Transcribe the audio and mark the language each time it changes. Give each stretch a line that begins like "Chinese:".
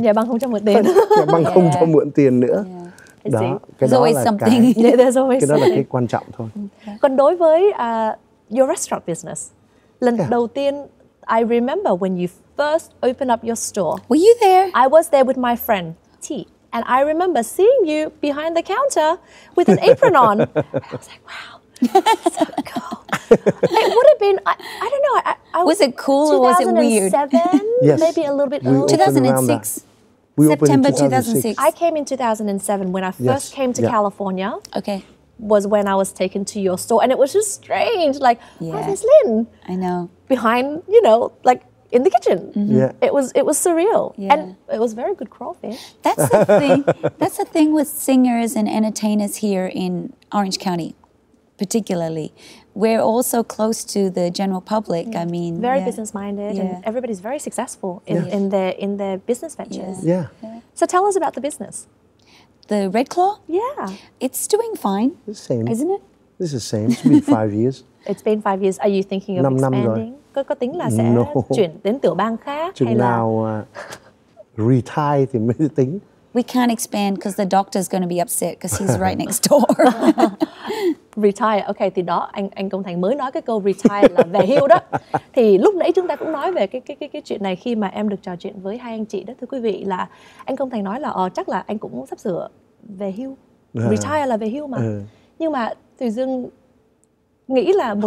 Vietnamese: Nhà băng không cho mượn tiền. Nhà băng không cho mượn tiền nữa. Yeah. Đó, cái đó, là cái đó là cái quan trọng thôi. Còn đối với
English: your restaurant business,
Vietnamese: lần đầu tiên,
English: I remember when you first opened up your store. Were you there? I was there with my friend, T. And I remember seeing you behind the counter with an apron on. And I was like, wow, so cool. It would have been, I don't know. I was it cool or was it weird? 2007, yes. Maybe a little bit earlier. 2006. We September 2006. I came in 2007 when I first came to California. Okay. Was when I was taken to your store and it was just strange. Like, oh, there's Lynn. I know. Behind, you know, like in the kitchen. Mm-hmm. Yeah. It was surreal. Yeah. And it was very good crawfish. That's the thing. That's the thing with singers and entertainers here in Orange County, particularly. We're also close to the general public. Yeah. I mean, very business-minded, and everybody's very successful in their business ventures. Yeah. So tell us about the business. The Red Claw. Yeah. It's doing fine. It's the same, isn't it? This is the same. It's been 5 years. It's been 5 years. Are you thinking of expanding?
Vietnamese: Có tính là sẽ chuyển đến tiểu bang khác hay nào retire thì mới tính.
English: We can't expand because the doctor's going to be upset because he's right next door. Retire.
Vietnamese: Okay, thì đó anh Công Thành mới nói cái câu retire là về hưu đó. Thì lúc nãy chúng ta cũng nói về cái chuyện này khi mà em được trò chuyện với hai anh chị đó, thưa quý vị, là anh Công Thành nói là chắc là anh cũng sắp sửa về hưu. Retire là về hưu mà. Nhưng mà Thùy Dương nghĩ là một